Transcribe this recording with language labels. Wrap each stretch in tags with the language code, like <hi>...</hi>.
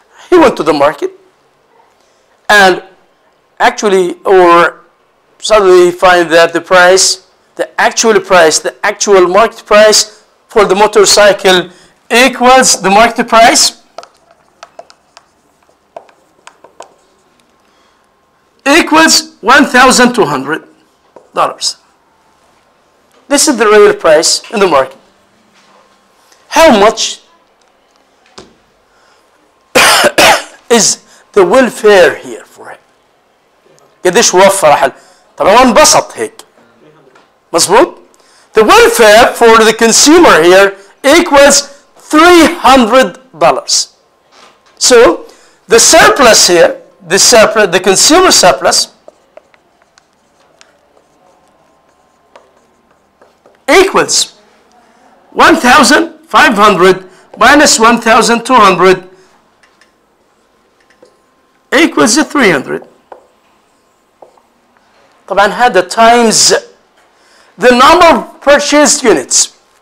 <en>He went to the market and actually or suddenly he find that the price, the actual price, the actual market price for the motorcycle equals the market price, equals $1,200. This is the real price in the market. How much is the welfare here for him?</en> <ar>قديش وفر حل؟ طبعا انبسط هيك. مظبوط؟</ar> <en>The welfare for the consumer here equals $300. So the surplus here, the surplus, the consumer surplus equals 1,500 minus 1,200 equals 300.</en> <ar>طبعا هذا</ar> <en>times the number of purchased units.</en>